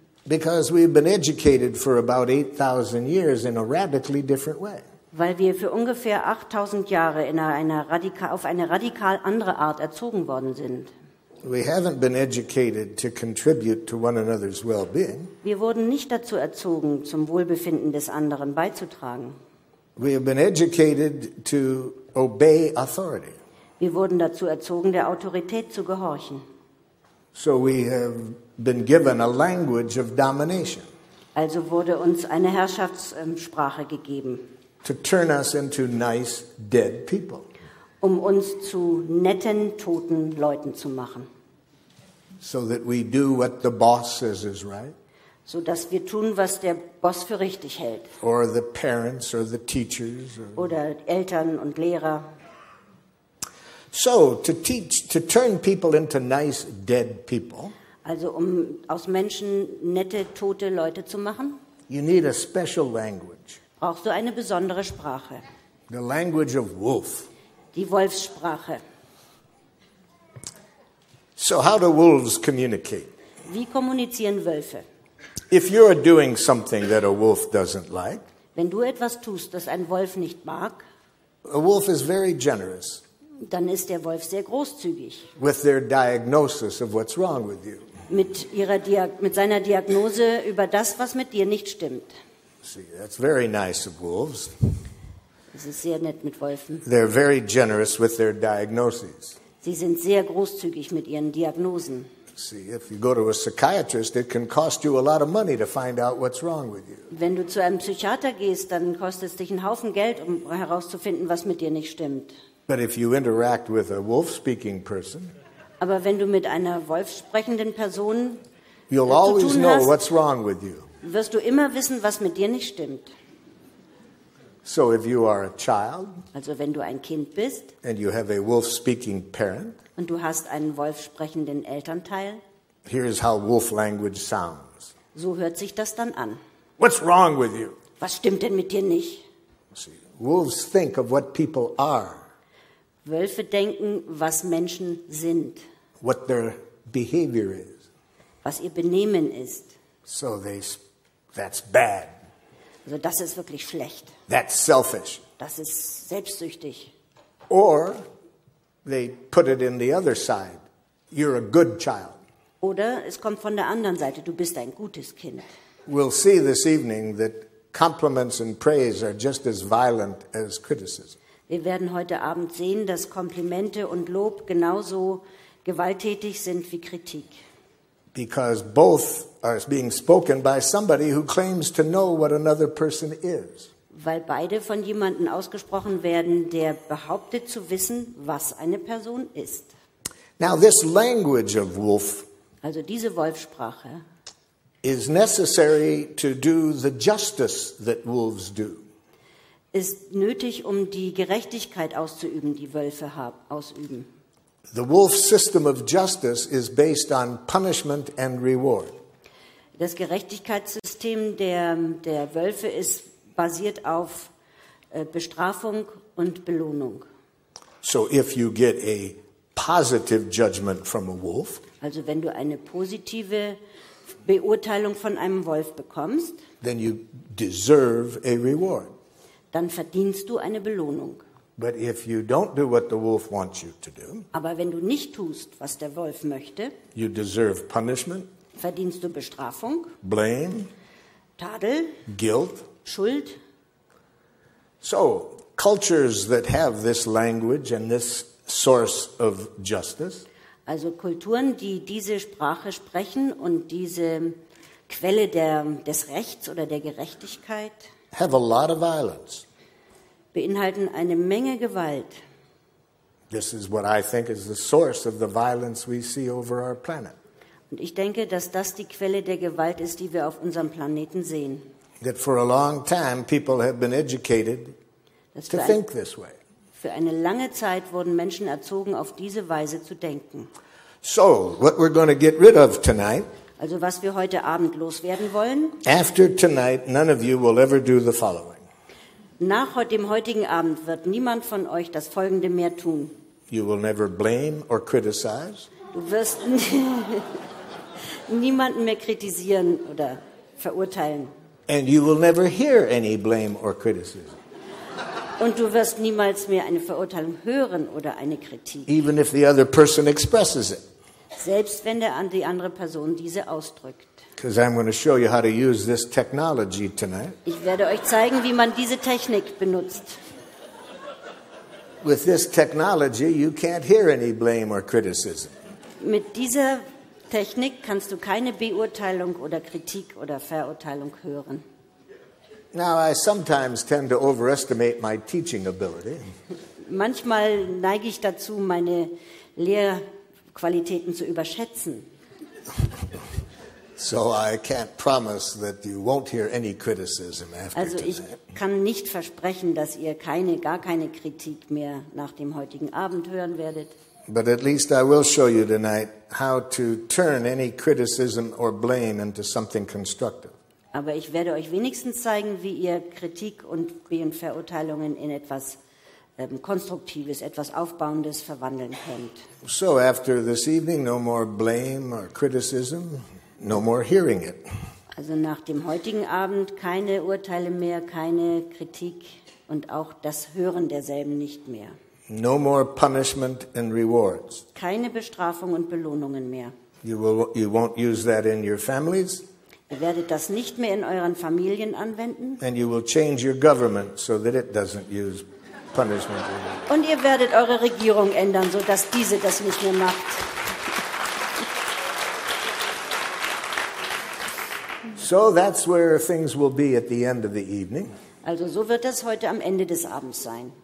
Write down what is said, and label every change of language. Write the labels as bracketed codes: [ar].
[en] Because we've been educated for about 8,000 years in a radically different way. [de] Weil wir für ungefähr 8000 Jahre in auf eine radikal andere Art erzogen worden sind. [en] We haven't been educated to contribute to one another's well-being. [de] Wir wurden nicht dazu erzogen, zum Wohlbefinden des anderen beizutragen. [en] We have been educated to obey authority. [de] Wir wurden dazu erzogen, der Autorität zu gehorchen. [en] So we have been given a language of domination. [de] Also wurde uns eine Herrschaftssprache gegeben. [en] To turn us into nice dead people. [de] Um uns zu netten toten Leuten zu machen. [en] So that we do what the boss says is right. [de] So dass wir tun, was der Boss für richtig hält. [en] Or the parents or the teachers. [de] Oder Eltern und Lehrer. [en] So to teach, to turn people into nice dead people. [de] Also um aus Menschen nette tote Leute zu machen. [en] You need a special language. [de] Brauchst du eine besondere Sprache? [en] The language of wolf. [de] Die Wolfssprache. [en] So how do wolves communicate? [de] Wie kommunizieren Wölfe? [en] If you're doing something that a wolf doesn't like. [de] Wenn du etwas tust, das ein Wolf nicht mag. [en] A wolf is very generous. [de] Dann ist der Wolf sehr großzügig. [en] With their diagnosis of what's wrong with you. [de] Mit seiner Diagnose über das, was mit dir nicht stimmt. [en] See, that's very nice of wolves. [de] Das ist sehr nett mit Wölfen. [en] They're very generous with their diagnoses. [de] Sie sind sehr großzügig mit ihren Diagnosen. [en] See, if you go to a psychiatrist, it can cost you a lot of money to find out what's wrong with you. [de] Wenn du zu einem Psychiater gehst, dann kostet es dich einen Haufen Geld, um herauszufinden, was mit dir nicht stimmt. [en] But if you interact with a wolf-speaking person, [de] aber wenn du mit einer wolfsprechenden Person zu tun hast, [en] you'll always know what's wrong with you. [de] Wirst du immer wissen, was mit dir nicht stimmt. [en] So if you are a child, [de] also wenn du ein Kind bist, [en] and you have a wolf-speaking parent, [de] und du hast einen wolfsprechenden Elternteil, [en] here's how wolf language sounds. [de] So hört sich das dann an. [en] What's wrong with you? [de] Was stimmt denn mit dir nicht? [en] See, wolves think of what people are. [de] Wölfe denken, was Menschen sind. [en] What their behavior is. [de] Was ihr Benehmen ist. [en] So that's bad. [de] Also das ist wirklich schlecht. [en] That's selfish. [de] Das ist selbstsüchtig. [en] Or they put it in the other side. You're a good child. [de] Oder es kommt von der anderen Seite. Du bist ein gutes Kind. [en] We'll see this evening that compliments and praise are just as violent as criticism. [de] Wir werden heute Abend sehen, dass Komplimente und Lob genauso gewalttätig sind wie Kritik. [en] Because both are being spoken by somebody who claims to know what another person is. [de] Weil beide von jemandem ausgesprochen werden, der behauptet zu wissen, was eine Person ist. [en] Now this language of wolf, [de] also diese Wolfssprache, [en] is necessary to do the justice that wolves do. [de] Ist nötig, um die Gerechtigkeit auszuüben, die Wölfe ausüben. [en] The wolf system of justice is based on punishment and reward. [de] Das Gerechtigkeitssystem der Wölfe ist basiert auf Bestrafung und Belohnung. [en] So if you get a positive judgment from a wolf, [de] also wenn du eine positive Beurteilung von einem Wolf bekommst, [en] then you deserve a reward. [de] Dann verdienst du eine Belohnung. [en] But if you don't do what the wolf wants you to do, [de] aber wenn du nicht tust, was der Wolf möchte, [en] you deserve punishment, [de] verdienst du Bestrafung, [en] blame, [de] Tadel, [en] guilt, [de] Schuld. [en] So, cultures that have this language and this source of justice, [de] also Kulturen, die diese Sprache sprechen und diese Quelle der, des Rechts oder der Gerechtigkeit, [en] have a lot of violence. [de] Beinhalten eine Menge Gewalt. [en] This is what I think is the source of the violence we see over our planet. [de] Und ich denke, dass das die Quelle der Gewalt ist, die wir auf unserem Planeten sehen. [en] That for a long time people have been educated to think this way. [de] Für eine lange Zeit wurden Menschen erzogen, auf diese Weise zu denken. [en] So, what we're going to get rid of tonight, [de] also was wir heute Abend loswerden wollen, [en] after tonight, none of you will ever do the following. [de] Nach dem heutigen Abend wird niemand von euch das Folgende mehr tun. [en] You will never blame or criticize. [de] Du wirst niemanden mehr kritisieren oder verurteilen. [en] And you will never hear any blame or criticism. [de] Und du wirst niemals mehr eine Verurteilung hören oder eine Kritik. [en] Even if the other person expresses it. [de] Selbst wenn die andere Person diese ausdrückt. [en] Because I'm going to show you how to use this technology tonight. [de] Ich werde euch zeigen, wie man diese Technik benutzt. [en] With this technology, you can't hear any blame or criticism. [de] Mit dieser Technik kannst du keine Beurteilung oder Kritik oder Verurteilung hören. [en] Now I sometimes tend to overestimate my teaching ability. [de] Manchmal neige ich dazu, meine Lehrqualitäten zu überschätzen. [en] So I can't promise that you won't hear any criticism after [de] also ich [en] tonight. [de] Kann nicht versprechen, dass ihr gar keine Kritik mehr nach dem heutigen Abend hören werdet. [en] But at least I will show you tonight how to turn any criticism or blame into something constructive. [de] Aber ich werde euch wenigstens zeigen, wie ihr Kritik und Verurteilungen in etwas Konstruktives, etwas Aufbauendes verwandeln könnt. [en] So after this evening, no more blame or criticism. No more hearing it. [de] Also nach dem heutigen Abend keine Urteile mehr, keine Kritik und auch das Hören derselben nicht mehr. [en] No more punishment and rewards. [de] Keine Bestrafung und Belohnungen mehr. [en] You won't use that in your families. [de] Ihr werdet das nicht mehr in euren Familien anwenden. [en] And you will change your government so that it doesn't use punishment. [de] Und ihr werdet eure Regierung ändern, so dass diese das nicht mehr macht. [en] So that's where things will be at the end of the evening. [de] Also so wird das heute am Ende des Abends sein.